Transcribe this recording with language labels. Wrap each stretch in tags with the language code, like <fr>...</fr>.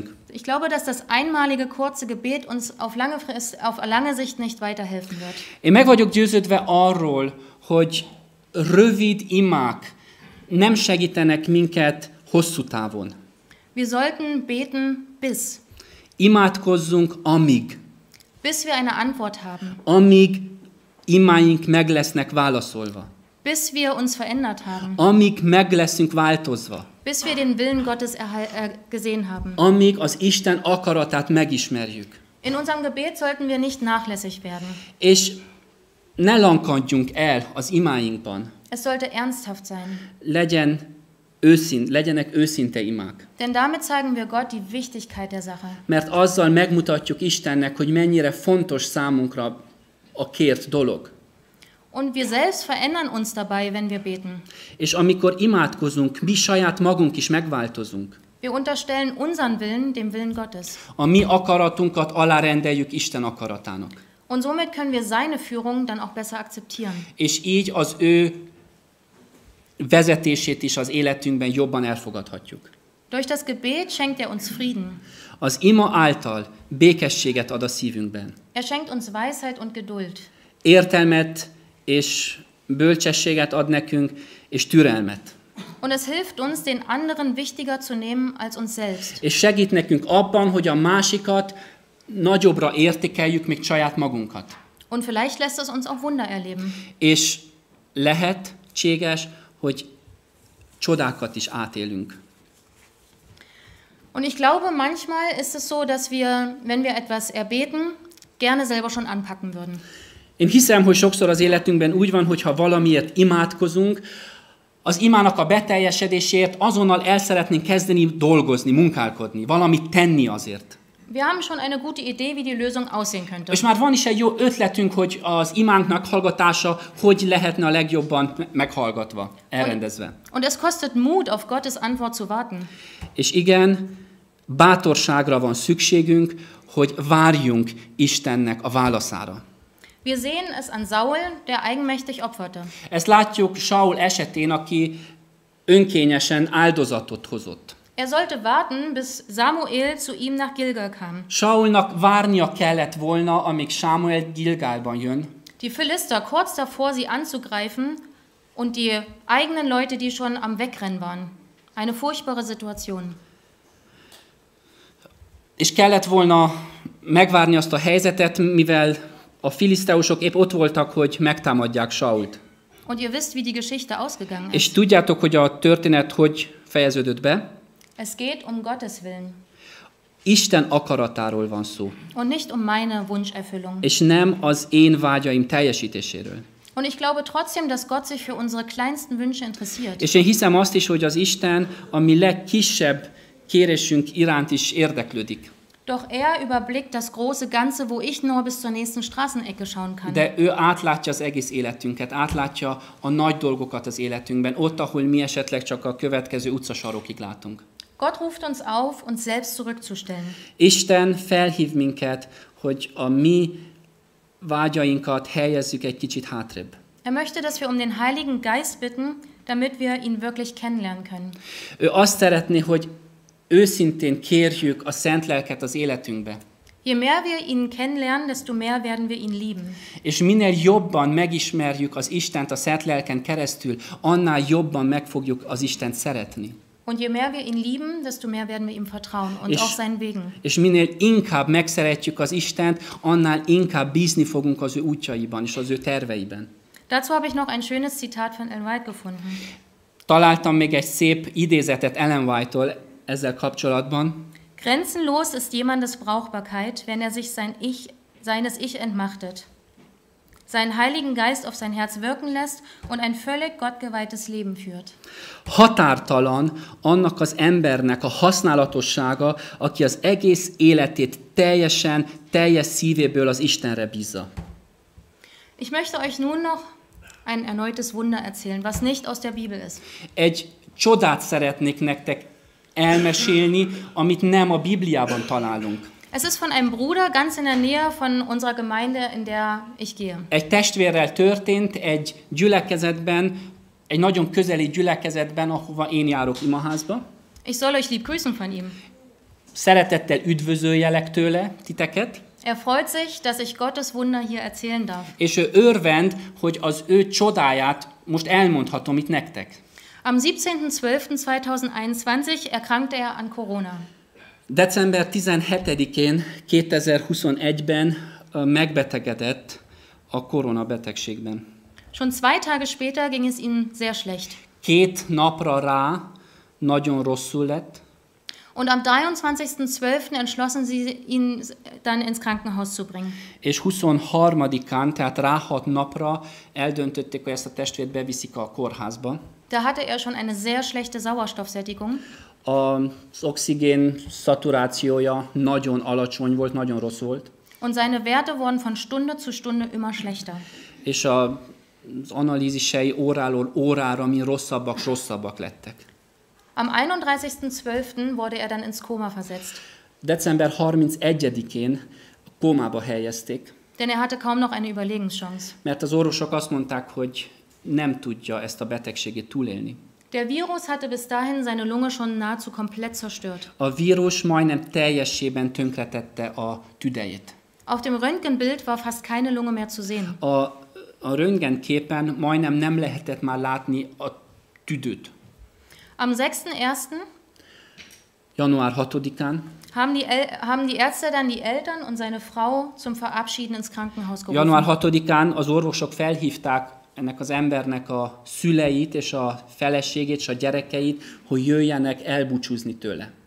<de>Ich glaube, dass das einmalige kurze Gebet uns auf lange Sicht nicht weiterhelfen wird.</de> <hu>Én meg vagyok győződve arról, hogy rövid imák nem segítenek minket hosszú távon.</hu> <de>Wir sollten beten bis.</de> <hu>Imádkozzunk amíg.</hu> <de>Bis wir eine Antwort haben.</de> <hu>Amíg imáink meg lesznek válaszolva.</hu> <de>Bis wir uns verändert haben.</de> <hu>Amíg meg leszünk változva.</hu> <de>Bis wir den Willen Gottes gesehen haben.</de> <hu>Amíg az Isten akaratát megismerjük.</hu> <de>In unserem Gebet sollten wir nicht nachlässig werden.</de> <hu>És ne lankadjunk el az imáinkban.</hu> <de>Es sollte ernsthaft sein.</de> <hu>Legyenek őszinte imák.</hu> <de>Denn damit zeigen wir Gott die Wichtigkeit der Sache.</de> <hu>Mert azzal megmutatjuk Istennek, hogy mennyire fontos számunkra a kért dolog.</hu> <de>Und wir selbst verändern uns dabei, wenn wir beten.</de> <hu>És amikor imádkozunk, mi saját magunk is megváltozunk.</hu> <de>Wir unterstellen unseren Willen dem Willen Gottes.</de> <hu>A mi akaratunkat alárendeljük Isten akaratának.</hu> <de>Und somit können wir seine Führung dann auch besser akzeptieren.</de> <hu>És így az ő vezetését is az életünkben jobban elfogadhatjuk.</hu> <de>Durch das Gebet schenkt er uns Frieden.</de> <hu>Az ima által békességet ad a szívünkben.</hu> <de>Er schenkt uns Weisheit und Geduld.</de> <hu>Értelmet és bölcsességet ad nekünk, és türelmet.</hu> <de>Und es hilft uns, den anderen wichtiger zu nehmen als uns selbst.</de> <hu>És segít nekünk abban, hogy a másikat nagyobbra értékeljük, mint saját magunkat.</hu> <de>Und vielleicht lässt es uns auch Wunder erleben.</de> <hu>És lehetséges, hogy csodákat is átélünk.</hu> <de>Und ich glaube, manchmal ist es so, dass wir, wenn wir etwas erbeten, gerne selber schon anpacken würden.</de> <hu>Én hiszem, hogy sokszor az életünkben úgy van, hogyha valamiért imádkozunk, az imának a beteljesedéséért azonnal el szeretnénk kezdeni dolgozni, munkálkodni, valamit tenni azért.</hu> <de>Wir haben schon eine gute Idee, wie die Lösung aussehen könnte.</de> <hu>És már van is egy jó ötletünk, hogy az imánknak hallgatása hogy lehetne a legjobban meghallgatva, elrendezve.</hu> <de>Und es kostet Mut, auf Gottes Antwort zu warten.</de> <hu>És igen, bátorságra van szükségünk, hogy várjunk Istennek a válaszára.</hu> <de>Wir sehen es an Saul, der eigenmächtig opferte.</de> <hu>Ezt látjuk Saul esetén, aki önkényesen áldozatot hozott.</hu> <de>Er sollte warten, bis Samuel zu ihm nach Gilgal kam.</de> <hu>Saulnak várnia kellett volna, amíg Samuel Gilgalban jön.</hu> <de>die Philister kurz davor, sie anzugreifen, und die eigenen Leute, die schon am Wegrennen waren. Eine furchtbare Situation.</de> <hu>Es kellett volna megvárni azt a helyzetet, mivel a filiszteusok épp ott voltak, hogy megtámadják Sault.</hu> <de>Und ihr wisst, wie die Geschichte ausgegangen ist.</de> <hu>És tudjátok, hogy a történet hogy fejeződött be?</hu> <de>Es geht um Gottes Willen.</de> <hu>Isten akaratáról van szó.</hu> <de>Und nicht um meine Wunscherfüllung.</de> <hu>És nem az én vágyaim teljesítéséről.</hu> <de>Und ich glaube trotzdem, dass Gott sich für unsere kleinsten Wünsche interessiert.</de> <hu>És én hiszem azt is, hogy az Isten a mi legkisebb kérésünk iránt is érdeklődik.</hu> <de>Doch er überblickt das große Ganze, wo ich nur bis zur nächsten Straßenecke schauen kann.</de> <hu>De ő átlátja az egész életünket, átlátja a nagy dolgokat az életünkben, ott, ahol mi esetleg csak a következő utcasarokig látunk.</hu> <de>Gott ruft uns auf, uns selbst zurückzustellen.</de> <hu>Isten felhív minket, hogy a mi vágyainkat helyezzük egy kicsit hátrébb.</hu> <de>Er möchte, dass wir um den Heiligen Geist bitten, damit wir ihn wirklich kennenlernen können.</de> <hu>Ő azt szeretné, hogy őszintén kérjük a Szent Lelket az életünkbe.</hu> <de>Je mehr wir ihn kennenlernen, desto mehr werden wir ihn lieben.</de> <hu>És minél jobban megismerjük az Istent a Szent Lelken keresztül, annál jobban meg fogjuk az Istent szeretni.</hu> <de>Und je mehr wir ihn lieben, desto mehr werden wir ihm vertrauen und auch seinen Wegen.</de> <hu>És minél inkább megszeretjük az Istent, annál inkább bízni fogunk az ő útjaiban és az ő terveiben.</hu> <de>Dazu habe ich noch ein schönes Zitat von Ellen White gefunden.</de> <hu>Találtam még egy szép idézetet Ellen White-tól ezzel kapcsolatban.</hu> <de>Grenzenlos ist jemandes Brauchbarkeit, wenn er sich sein Ich, seines Ich entmachtet, seinen Heiligen Geist auf sein Herz wirken lässt und ein völlig gottgeweihtes Leben führt.</de> <hu>Határtalan annak az embernek a használatossága, aki az egész életét teljesen, teljes szívéből az Istenre bízza.</hu> <de>Ich möchte euch nun noch ein erneutes Wunder erzählen, was nicht aus der Bibel ist.</de> <hu>Egy csodát szeretnék nektek elmesélni, amit nem a Bibliában találunk.</hu> <de>Es ist von einem Bruder ganz in der Nähe von unserer Gemeinde, in der ich gehe.</de> <hu>Egy testvérrel történt egy gyülekezetben, egy nagyon közeli gyülekezetben, ahova én járok imaházba.</hu> <de>Ich soll euch lieb grüßen von ihm.</de> <hu>Szeretettel üdvözöljelek tőle titeket.</hu> <de>Er freut sich, dass ich Gottes Wunder hier erzählen darf.</de> <hu>És ő örvend, hogy az ő csodáját most elmondhatom itt nektek.</hu> <de>Am 17.12.2021 erkrankte er an Corona.</de> <hu>December 17-én 2021-ben megbetegedett a koronabetegségben.</hu> <de>Schon zwei Tage später ging es ihm sehr schlecht.</de> <hu>Két napra rá nagyon rosszul lett.</hu> <de>Und am 23.12. entschlossen sie ihn dann ins Krankenhaus zu bringen.</de> <hu>És 23-án, tehát rá hat napra eldöntötték, hogy ezt a testvért beviszik a kórházba.</hu> <de>Da hatte er schon eine sehr schlechte Sauerstoffsättigung.</de> <hu>Az oxigénszaturációja nagyon alacsony volt, nagyon rossz volt.</hu> <de>Und seine Werte wurden von Stunde zu Stunde immer schlechter.</de> <hu>És az analízisei óráról órára mi rosszabbak, rosszabbak lettek.</hu> <de>Am 31.12. wurde er dann ins Koma versetzt.</de> <hu>December 31-én kómába helyezték.</hu> <de>Denn er hatte kaum noch eine Überlebenschance.</de> <hu>Mert az orvosok azt mondták, hogy nem tudja ezt a betegséget túlélni.</hu> <de>Der Virus hatte bis dahin seine Lunge schon nahezu komplett zerstört.</de> <hu>A vírus majdnem teljesében tönkretette a tüdejét.</hu> <de>Auf dem Röntgenbild war fast keine Lunge mehr zu sehen.</de> <hu>A röntgenképen majdnem nem lehetett már látni a tüdőt.</hu> <de>Am 6.1.</de> <hu>január 6-án</hu> <de>haben die Ärzte dann die Eltern und seine Frau zum Verabschieden ins Krankenhaus gerufen.</de> <hu>Január 6-án az orvosok felhívták ennek az embernek a szüleit és a feleségét és a gyerekeit, hogy jöjjenek elbúcsúzni tőle.</hu>